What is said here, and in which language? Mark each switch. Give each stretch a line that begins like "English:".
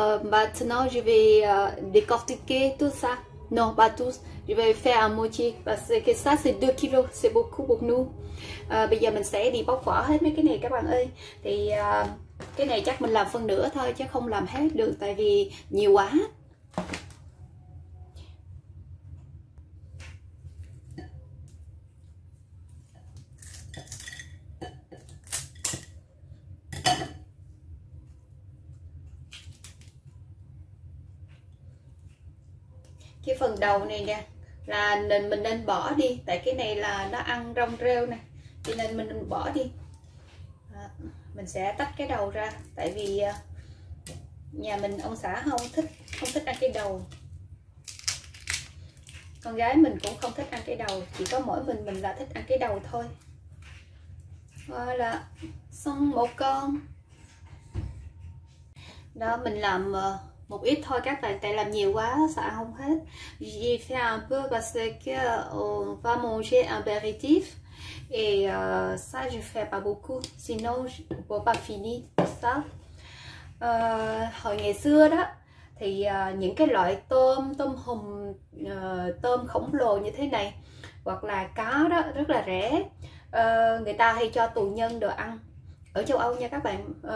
French: Maintenant, je vais décortiquer tout ça. Non, pas tous. Je vais faire à moitié parce que ça, c'est 2 kilos. C'est beaucoup pour nous.
Vietnamese: Bây giờ mình sẽ đi bóc vỏ hết mấy cái này các bạn ơi. Thì cái này chắc mình làm phân nửa thôi, chứ không làm hết được, tại vì nhiều quá. Cái phần đầu này nè là mình nên bỏ đi, tại cái này là nó ăn rong rêu nè, cho nên mình bỏ đi. Mình sẽ tách cái đầu ra, tại vì nhà mình ông xã không thích ăn cái đầu, con gái mình cũng không thích ăn cái đầu, chỉ có mỗi mình là thích ăn cái đầu thôi. Voilà, xong một con đó, mình làm một ít thôi các bạn, tại làm nhiều quá sợ không hết.
French: J'ai fait un peu parce que on va manger un apéritif et ça je fais pas beaucoup sinon je peux pas finir ça.
Vietnamese: Hồi ngày xưa đó thì những cái loại tôm tôm hùm, tôm khổng lồ như thế này hoặc là cá đó rất là rẻ, người ta hay cho tù nhân đồ ăn ở châu Âu nha các bạn.